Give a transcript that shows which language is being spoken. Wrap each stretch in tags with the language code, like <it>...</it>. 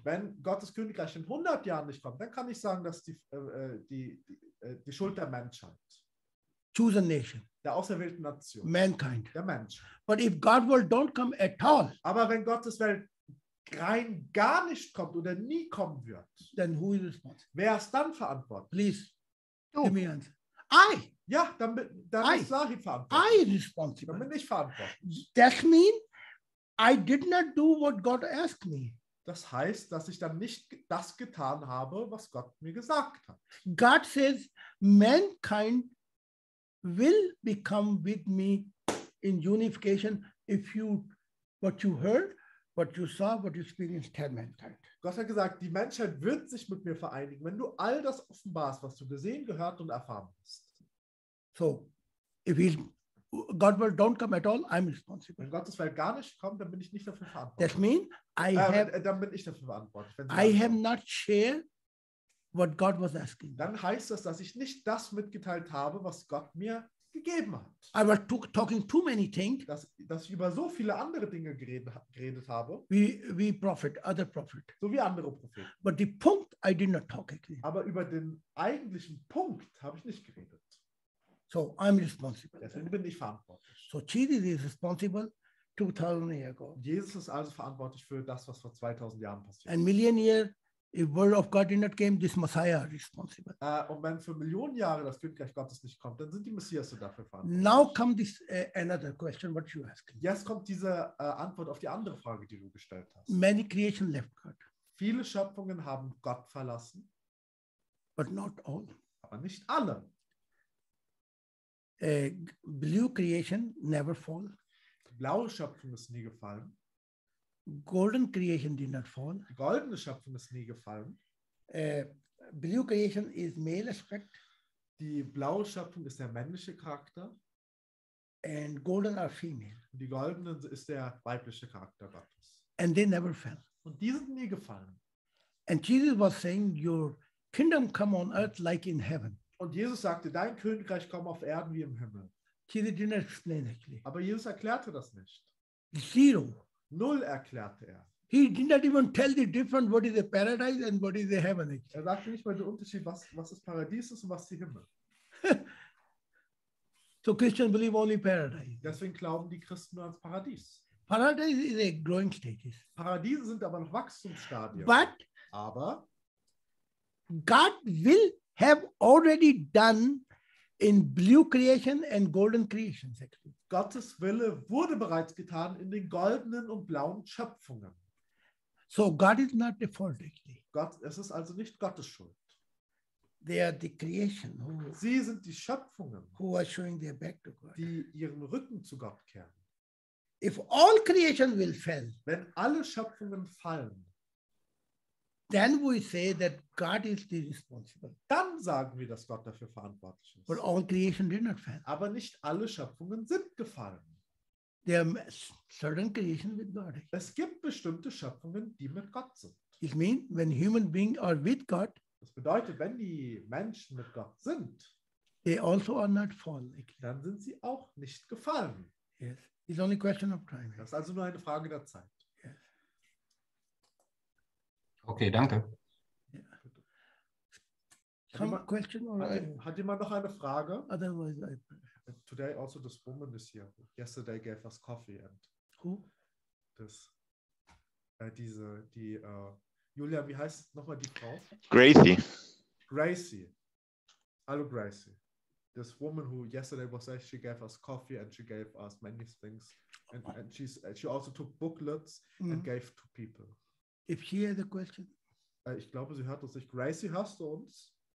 <de>Wenn Gottes Königreich in 100 Jahren nicht kommt, dann kann ich sagen, dass die Schuld der Menschheit.</de> <en>Chosen nation.</en> <de>Der auserwählten Nation.</de> <en>Mankind.</en> <de>Der Mensch.</de> <en>But if God will don't come at all.</en> <de>Aber wenn Gottes Welt rein gar nicht kommt oder nie kommen wird,</de> <en>then who is responsible?</en> <de>Wer ist dann verantwortlich?</de> <en>Please.</en> <de>Du.</de> <en>Give me an. I.</en> <de>Ja, dann ist Sahi verantwortlich.</de> <en>I responsible.</en> <de>Dann bin ich verantwortlich.</de> <en>That means I did not do what God asked me.</en> <de>Das heißt, dass ich dann nicht das getan habe, was Gott mir gesagt hat.</de> <en>God says, mankind will become with me in unification if you, what you heard, what you saw, what you experienced, tell mankind.</en> <de>Gott hat gesagt, die Menschheit wird sich mit mir vereinigen, wenn du all das offenbarst, was du gesehen, gehört und erfahren hast.</de> <en>So, if God will don't come at all, I'm responsible.</en> <de>Wenn Gottes Welt gar nicht kommt, dann bin ich nicht dafür verantwortlich.</de> <en>That means I have,</en> <de>dann bin ich dafür verantwortlich. Wenn</de> <en>I have not shared what God was asking.</en> <de>Dann heißt das, dass ich nicht das mitgeteilt habe, was Gott mir gegeben hat.</de> <en>I was talking too many things.</en> <de>Dass ich über so viele andere Dinge geredet habe. Wie</de> <en>Prophet, other Prophet.</en> <de>So wie andere Propheten.</de> <en>But the point I did not talk again.</en> <de>Aber über den eigentlichen Punkt habe ich nicht geredet.</de> <en>So I'm responsible.</en> <de>Deswegen bin ich verantwortlich.</de> <en>So Jesus is responsible 2000 years ago.</en> <de>Jesus ist also verantwortlich für das, was vor 2000 Jahren passiert.</de> <en>And million years, if word of God did not come, this Messiah responsible.</en> <de>Und wenn für Millionen Jahre das Königreich Gottes nicht kommt, dann sind die Messiasse dafür verantwortlich.</de> <en>Now come this another question, what you ask.</en> <de>Jetzt kommt diese Antwort auf die andere Frage, die du gestellt hast.</de> <en>Many creation left God.</en> <de>Viele Schöpfungen haben Gott verlassen.</de> <en>But not all.</en> <de>Aber nicht alle.</de> <en>Blue creation never fall.</en> <de>Die blaue Schöpfung ist nie gefallen.</de> <en>Golden creation did not fall.</en> <de>Goldene Schöpfung ist nie gefallen.</de> <en>Blue creation is male aspect.</en> <de>Die blaue Schöpfung ist der männliche Charakter.</de> <en>And golden are female.</en> <de>Und die goldenen ist der weibliche Charakter Gottes.</de> <en>And they never fell.</en> <de>Und die sind nie gefallen.</de> <en>And Jesus was saying, your kingdom come on earth like in heaven.</en> <de>Und Jesus sagte, dein Königreich komme auf Erden wie im Himmel.</de> <en>Jesus did not explain actually.</en> <de>Aber Jesus erklärte das nicht.</de> <en>Zero.</en> <de>Null, erklärte er.</de> <en>He did not even tell the difference what is the paradise and what is the heaven.</en> <de>Er sagte nicht mal den Unterschied, was das Paradies ist und was die Himmel.</de> <en>So Christians believe only paradise.</en> <de>Deswegen glauben die Christen nur ans Paradies.</de> <en>Paradise is a growing status.</en> <de>Paradiese sind aber noch Wachstumsstadien.</de> <en>But</en> <de>aber</de> <en>God will have already done in blue creation and golden creation.</en> <de>Gottes Wille wurde bereits getan in den goldenen und blauen Schöpfungen.</de> <en>So God is not the fault, actually.</en> <de>Gott, es ist also nicht Gottes Schuld.</de> <en>They are the creation.</en> <de>Sie sind die Schöpfungen,</de> <en>who are showing their back to God.</en> <de>Die ihren Rücken zu Gott kehren.</de> <en>If all creation will fall,</en> <de>wenn alle Schöpfungen fallen,</de> <en>then we say that God is the responsible.</en> <de>Dann sagen wir, dass Gott dafür verantwortlich ist.</de> <en>But all creation did not fall.</en> <de>Aber nicht alle Schöpfungen sind gefallen.</de> <en>There are certain creation with God.</en> <de>Es gibt bestimmte Schöpfungen, die mit Gott sind.</de> <en>It means when human beings are with God.</en> <de>Das bedeutet, wenn die Menschen mit Gott sind,</de> <en>they also are not fallen.</en> <de>Dann sind sie auch nicht gefallen.</de> <en>Yes. It's only a question of time.</en> <de>Das ist also nur eine Frage der Zeit. Okay, danke. Hat jemand noch eine Frage?</de> <en>Otherwise, I... Today also this woman is here. Yesterday gave us coffee and... Who? This...</en> <de>diese, die, Julia, wie heißt nochmal die Frau? Gracie. Gracie. Hallo, Gracie.</de> <en>This woman who yesterday was there, she gave us coffee and she gave us many things. And she's, she also took booklets mm-hmm. and gave to people. If she had a question.</en> <de>Ich glaube, sie hört uns nicht. Gracie, hörst du uns?</de>